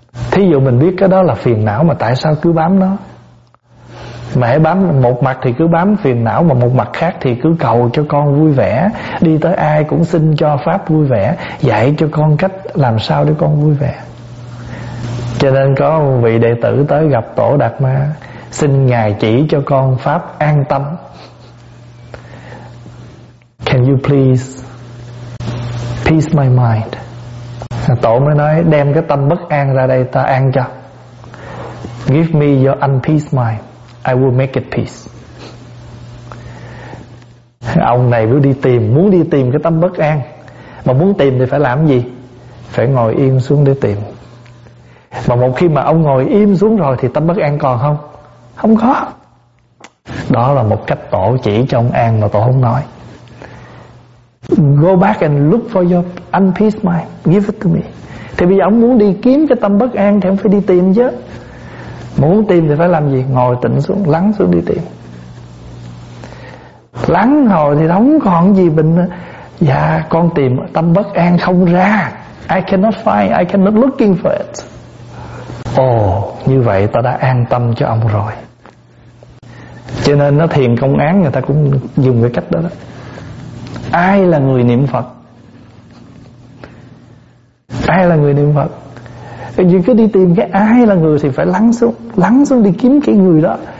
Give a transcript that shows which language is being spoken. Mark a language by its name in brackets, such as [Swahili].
[Vietnamese] Thí dụ mình biết cái đó là phiền não mà tại sao cứ bám nó? Mà hãy bám một mặt thì cứ bám phiền não, mà một mặt khác thì cứ cầu cho con vui vẻ, đi tới ai cũng xin cho pháp vui vẻ, dạy cho con cách làm sao để con vui vẻ. Cho nên có một vị đệ tử tới gặp Tổ Đạt Ma, xin Ngài chỉ cho con pháp an tâm. [English] Can you please peace my mind? [Vietnamese] Tổ mới nói đem cái tâm bất an ra đây ta an cho. [English] Give me your unpeace mind, I will make it peace. [Vietnamese] Ông này muốn đi tìm cái tâm bất an. Mà muốn tìm thì phải làm gì? Phải ngồi im xuống để tìm. Mà một khi mà ông ngồi im xuống rồi thì tâm bất an còn không? Không có. Đó là một cách Tổ chỉ cho ông an mà Tổ không nói. [English] Go back and look for your unpeace mind, give it to me. [Vietnamese] Thì bây giờ ông muốn đi kiếm cái tâm bất an thì ông phải đi tìm chứ. Muốn tìm thì phải làm gì? Ngồi tỉnh xuống, lắng xuống đi tìm. Lắng rồi thì không còn gì mình. Dạ con tìm tâm bất an không ra. [English] I cannot find, I cannot looking for it. [Vietnamese] Ồ, như vậy ta đã an tâm cho ông rồi. Cho nên nó thiền công án người ta cũng dùng cái cách đó đó. Ai là người niệm Phật? Ai là người niệm Phật? Thì cứ đi tìm cái ai là người thì phải lắng xuống đi kiếm cái người đó.